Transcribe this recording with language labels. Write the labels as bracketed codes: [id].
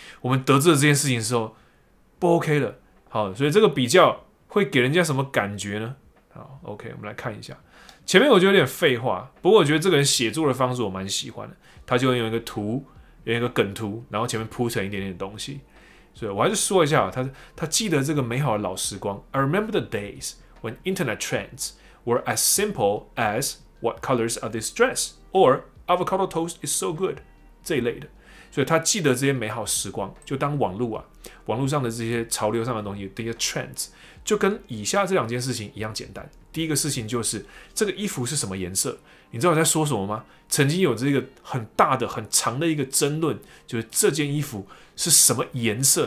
[zh] 我们得知了这件事情之后，不 OK 了。好，所以这个比较会给人家什么感觉呢？好，OK，我们来看一下。前面我觉得有点废话，不过我觉得这个人写作的方式我蛮喜欢的。他就用一个图，用一个梗图，然后前面铺成一点点东西。所以我还是说一下，他记得这个美好的老时光。 [en] I remember the days when internet trends were as simple as "What colors are this dress?" or "Avocado toast is so good." [zh] 这一类的。所以他记得这些美好时光，就当网络上的这些潮流上的东西，这些 trends 就跟以下这两件事情一样简单。第一个事情就是这个衣服是什么颜色？你知道我在说什么吗？曾经有这个很大的、很长的一个争论，就是这件衣服是什么颜色？